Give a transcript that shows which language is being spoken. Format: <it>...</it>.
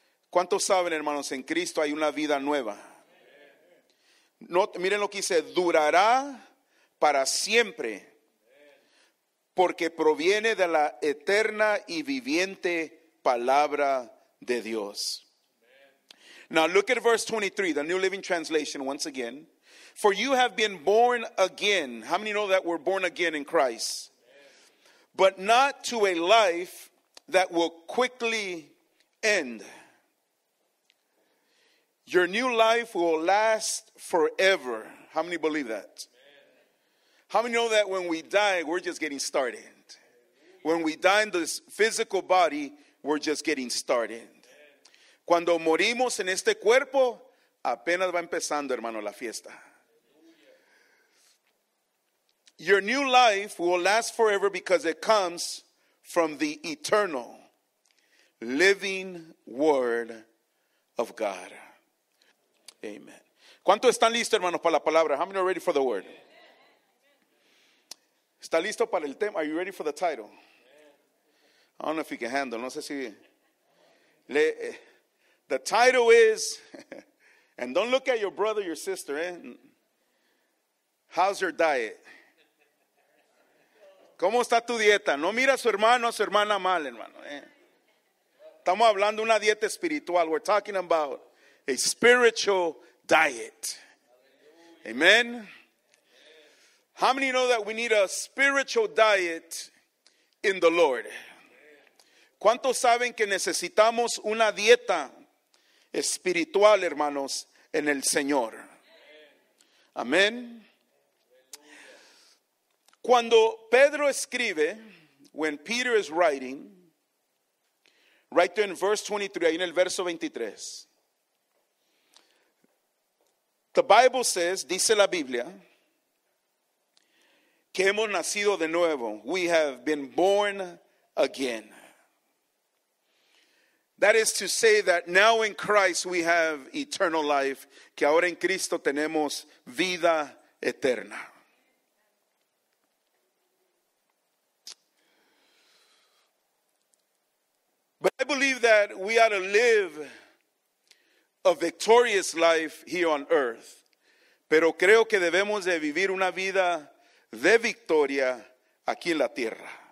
<es>¿Cuántos saben, hermanos, en Cristo hay una vida nueva? No, miren lo que dice, durará para siempre, porque proviene de la eterna y viviente palabra de Dios.</es> <en>Now look at verse 23, the New Living Translation once again. For you have been born again. How many know that we're born again in Christ? But not to a life that will quickly end. Your new life will last forever. How many believe that? How many know that when we die, we're just getting started? When we die in this physical body, we're just getting started.</en> <es>Cuando morimos en este cuerpo, apenas va empezando, hermano, la fiesta.</es> <en>Your new life will last forever because it comes from the eternal, living word of God. Amen.</en> <es>¿Cuánto están listos, hermanos, para la palabra?</es> <en>How many are ready for the word?</en> <es>¿Está listo para el tema?</es> <en>Are you ready for the title? I don't know if you can handle.</en> <es>No sé si...</es> <en>The title is, and don't look at your brother, your sister, how's your diet?</en> <es>¿Cómo está tu dieta? No mira a su hermano, a su hermana mal, hermano. Estamos hablando de una dieta espiritual.</es> <en>We're talking about a spiritual diet. Amen. How many know that we need a spiritual diet in the Lord?</en> <es>¿Cuántos saben que necesitamos una dieta espiritual, hermanos, en el Señor? Amén. Cuando Pedro escribe,</es> <en>when Peter is writing, right there in verse 23,</en> <es>ahí en el verso 23,</es> <en>the Bible says,</en> <es>dice la Biblia, que hemos nacido de nuevo.</es> <en>We have been born again. That is to say that now in Christ we have eternal life.</en> <es>Que ahora en Cristo tenemos vida eterna.</es> <en>But I believe that we ought to live a victorious life here on earth.</en> <es>Pero creo que debemos de vivir una vida de victoria aquí en la tierra.</es>